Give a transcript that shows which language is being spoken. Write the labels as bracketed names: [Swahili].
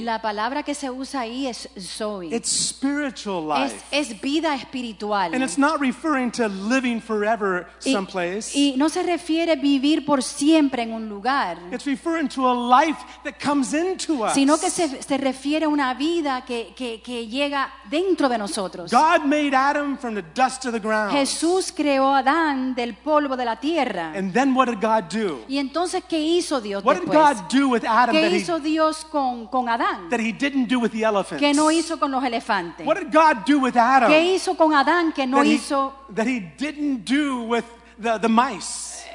[Spanish] La palabra que se usa ahí es Zoe. [English] It's spiritual life. [Spanish] Es vida espiritual. [English] And it's not referring to living forever someplace. [Spanish] Y no se refiere vivir por siempre en un lugar. [English] It's referring to a life that comes into us. [Spanish] Sino que se refiere a una vida que llega dentro de nosotros. [English] God made Adam from the dust of the ground. [Spanish] Jesús creó a Adán del polvo de la tierra. [English] And then what did God do? [Spanish] ¿Y entonces qué hizo Dios [English] what [Spanish] después? [English] Did God do with Adam [Spanish] ¿Qué hizo Dios con Adán? [English] That he didn't do with the elephants. [Spanish] ¿Qué no hizo con los elefantes? [English] What did God do with Adam? [Spanish] ¿Qué hizo con Adán que no hizo? [English] That he didn't do with the mice.